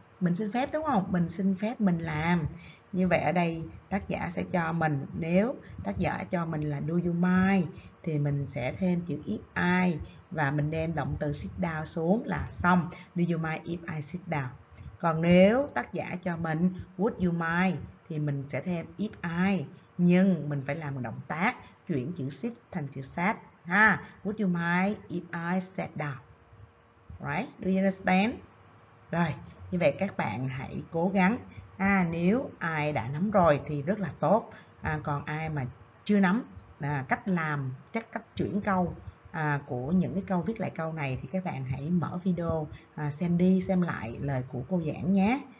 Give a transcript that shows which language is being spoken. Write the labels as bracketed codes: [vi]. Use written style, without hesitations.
[vi] Mình xin phép đúng không? Mình xin phép mình làm. Như vậy ở đây tác giả sẽ cho mình, nếu tác giả cho mình là do you mind thì mình sẽ thêm chữ if I và mình đem động từ sit down xuống là xong. [en] Do you mind if I sit down? [vi] Còn nếu tác giả cho mình would you mind thì mình sẽ thêm if I, nhưng mình phải làm một động tác chuyển chữ sit thành chữ sat ha. [en] Would you mind if I sat down? Right? Do you understand? [vi] Rồi, như vậy các bạn hãy cố gắng. À, nếu ai đã nắm rồi thì rất là tốt. À, còn ai mà chưa nắm cách làm, cách chuyển câu của những cái câu viết lại câu này thì các bạn hãy mở video xem đi xem lại lời của cô giảng nhé.